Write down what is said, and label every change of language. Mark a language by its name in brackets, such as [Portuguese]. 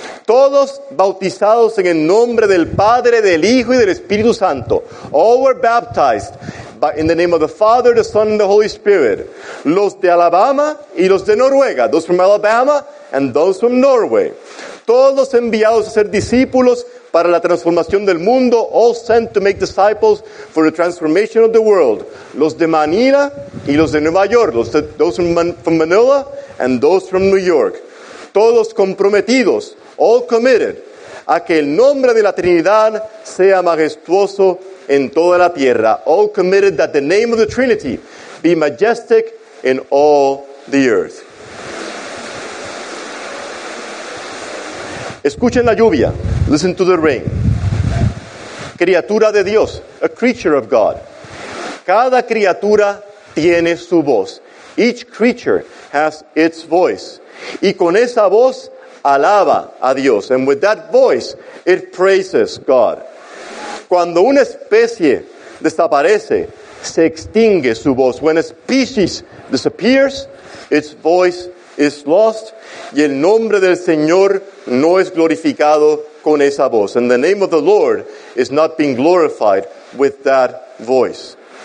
[Spanish] Todos bautizados en el nombre del Padre, del Hijo y del Espíritu Santo. [English] All were baptized in the name of the Father, the Son, and the Holy Spirit. [Spanish] Los de Alabama y los de Noruega. [English] Those from Alabama and those from Norway. [Spanish] Todos enviados a ser discípulos para la transformación del mundo, [English] all sent to make disciples for the transformation of the world. [Spanish] Los de Manila y los de Nueva York. [English] Those from Manila and those from New York. [Spanish] Todos comprometidos, [English] all committed, [Spanish] a que el nombre de la Trinidad sea majestuoso en toda la tierra. [English] All committed that the name of the Trinity be majestic in all the earth. [Spanish] Escuchen la lluvia. [English] Listen to the rain. [Spanish] Criatura de Dios, [English] a creature of God. [Spanish] Cada criatura tiene su voz. [English] Each creature has its voice. [Spanish] Y con esa voz, alaba a Dios. [English] And with that voice, it praises God. [Spanish] Cuando una especie desaparece, se extingue su voz. [English] When a species disappears, its voice is lost. [Spanish] Y el nombre del Señor no es glorificado con esa voz. [English] And the name of the Lord is not being glorified with that voice.